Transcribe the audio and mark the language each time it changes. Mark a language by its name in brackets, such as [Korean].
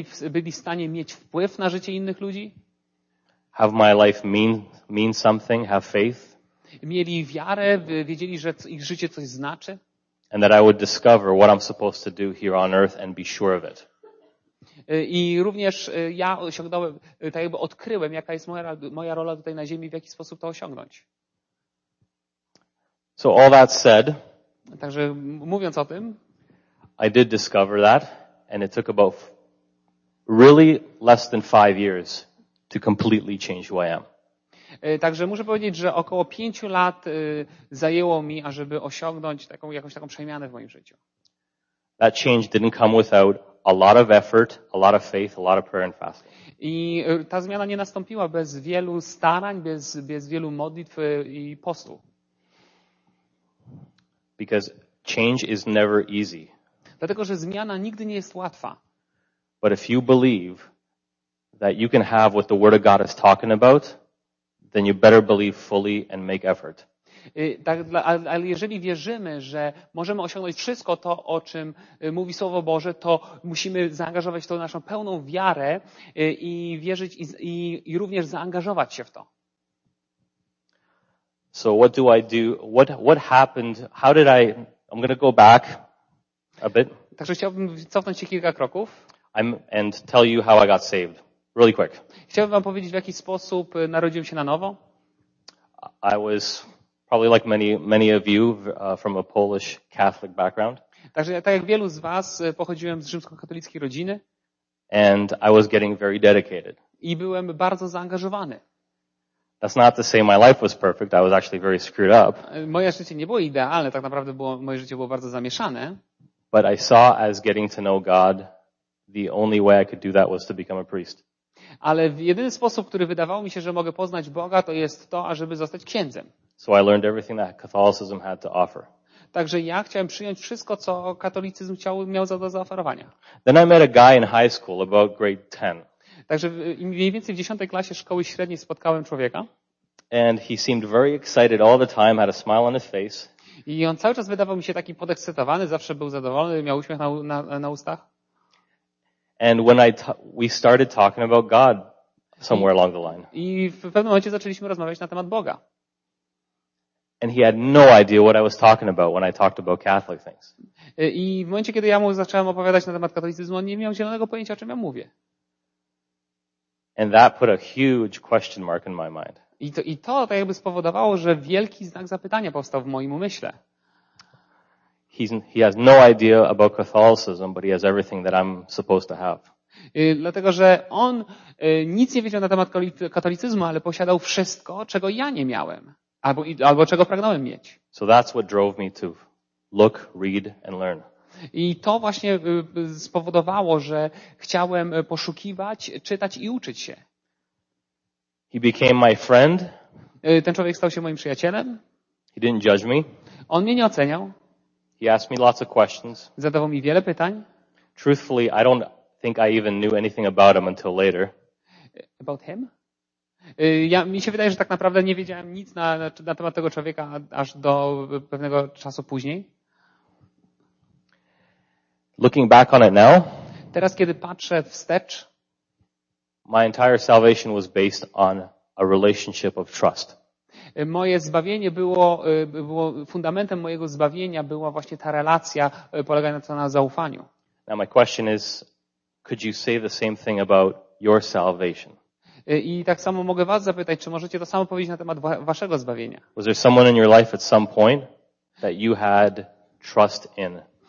[Polish] Byli w stanie mieć wpływ na życie innych ludzi. [English] Have my life mean something, have faith. [Polish] Mieli wiarę, wiedzieli, że ich życie coś znaczy. [English] And that I would discover what I'm supposed to do here on earth and be sure of it. [Polish] I również ja osiągnąłem, tak jakby odkryłem, jaka jest moja rola tutaj na ziemi, w jaki sposób to osiągnąć. [English] So all that said, [Polish] także mówiąc o tym, [English] I did discover that, and it took about really less than 5 years to completely change who I am. [Polish] Także muszę powiedzieć, że około 5 lat zajęło mi, ażeby osiągnąć jakąś taką przemianę w moim życiu. [English] That change didn't come without a lot of effort, a lot of faith, a lot of prayer and fasting. [Polish] I ta zmiana nie nastąpiła bez wielu starań, bez wielu modlitw i postu. [English] Because change is never easy. [Polish] Dlatego, że zmiana nigdy nie jest łatwa. [English] But if you believe that you can have what the Word of God is talking about, then you better believe fully and make effort. [Polish] Ale jeżeli wierzymy, że możemy osiągnąć wszystko to, o czym mówi Słowo Boże, to musimy zaangażować w to naszą pełną wiarę i wierzyć i również zaangażować się w to. [English] So what do I do? What happened? How did I? I'm going to go back a bit. [Polish] Także chciałbym cofnąć się kilka kroków. [English] And tell you how I got saved. Really quick. [Polish] Chciałbym wam powiedzieć, w jaki sposób narodziłem się na nowo. [English] I was probably like many of you from a Polish Catholic background. [Polish] Także tak jak wielu z was pochodziłem z rzymskokatolickiej rodziny. [English] And I was getting very dedicated. [Polish] I byłem bardzo zaangażowany. [English] That's not to say my life was perfect. I was actually very screwed up. [Polish] Moje życie nie było idealne, tak naprawdę moje życie było bardzo zamieszane. [English] But I saw as getting to know God, the only way I could do that was to become a priest. [Polish] Ale jedyny sposób, który wydawał mi się, że mogę poznać Boga, to jest to, ażeby zostać księdzem. [English] So I learned everything that Catholicism had to offer. [Polish] Także ja chciałem przyjąć wszystko, co katolicyzm miał do zaoferowania. [English] Then I met a guy in high school about grade 10. [Polish] Także mniej więcej w 10 klasie szkoły średniej spotkałem człowieka. [English] And he seemed very excited all the time, had a smile on his face. [Polish] I on cały czas wydawał mi się taki podekscytowany, zawsze był zadowolony, miał uśmiech na ustach. [English] And when we started talking about God somewhere along the line. [Polish] I w pewnym momencie zaczęliśmy rozmawiać na temat Boga. [English] And he had no idea what I was talking about when I talked about Catholic things. [Polish] I w momencie, kiedy ja mu zacząłem opowiadać na temat katolicyzmu, on nie miał zielonego pojęcia, o czym ja mówię. [English] And that put a huge question mark in my mind. [Polish] I to tak jakby spowodowało, że wielki znak zapytania powstał w moim umyśle. [English] He has no idea about Catholicism, but he has everything that I'm supposed to have. [Polish] Dlatego, że on nic nie wiedział na temat katolicyzmu, ale posiadał wszystko, czego ja nie miałem, albo czego pragnąłem mieć. [English] So that's what drove me to look, read and learn. [Polish] I to właśnie spowodowało, że chciałem poszukiwać, czytać i uczyć się. [English] He became my friend. [Polish] Ten człowiek stał się moim przyjacielem. [English] He didn't judge me. [Polish] On mnie nie oceniał. [English] He asked me lots of questions. [Polish] Zadawał mi wiele pytań. [English] Truthfully, I don't think I even knew anything about him until later. About him? [Polish] Mi się wydaje, że tak naprawdę nie wiedziałem nic na temat tego człowieka aż do pewnego czasu później. [English] Looking back on it now, [Polish] teraz kiedy patrzę wstecz, [English] my entire salvation was based on a relationship of trust. [Polish] Moje zbawienie było fundamentem mojego zbawienia była właśnie ta relacja polegająca na zaufaniu. [English] Now my question is, could you say the same thing about your salvation? [Polish] I tak samo mogę was zapytać, czy możecie to samo powiedzieć na temat waszego zbawienia? [English] Was there someone in your life at some point that you had trust in?